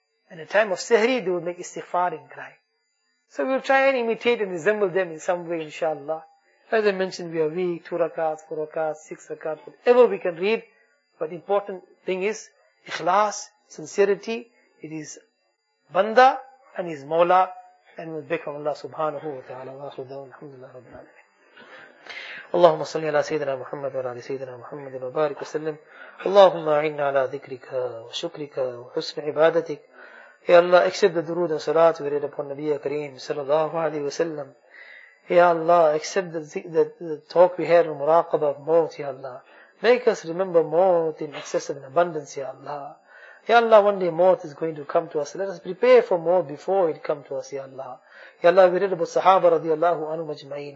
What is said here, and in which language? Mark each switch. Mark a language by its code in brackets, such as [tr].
[en] In the time of sihri, they would make istighfar and cry. So we'll try and imitate and resemble them in some way, inshallah. As I mentioned, we are weak, 2 rakats, 4 rakats, 6 rakats, whatever we can read. But important thing is, ikhlas, sincerity, it is banda and his mawla, and we'll beg from Allah subhanahu wa ta'ala. [ar] Wa akhru da'wana alhamdulillah rabbil alamin. اللهم صل على سيدنا محمد وعلى سيدنا محمد وبارك وسلم. اللهم اعنا على ذكرك وشكرك وحسن عبادتك. [en] يا الله accept the درود والصلاة وريد upon نبي كريم صلى الله عليه وسلم. يا الله accept the talk we had on مراقبة of موت. يا الله make us remember موت in excess and abundance. يا الله. يا الله one day موت is going to come to us. Let us prepare for موت before it come to us. يا الله. Ya Allah, we read about Sahaba radiallahu anhu majma'in.